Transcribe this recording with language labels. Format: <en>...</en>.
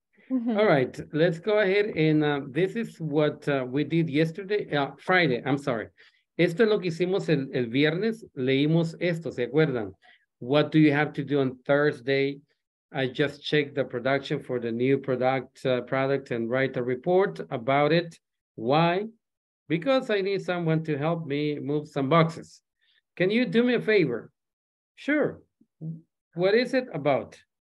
<en>All right, let's go ahead and this is what we did Friday, I'm sorry.</en> <es>Esto es lo que hicimos el viernes, leímos esto, ¿se acuerdan?</es> <en>What do you have to do on Thursday? I just checked the production for the new product and write a report about it. Why? Because I need someone to help me move some boxes. Can you do me a favor? Sure. What is it about?</en>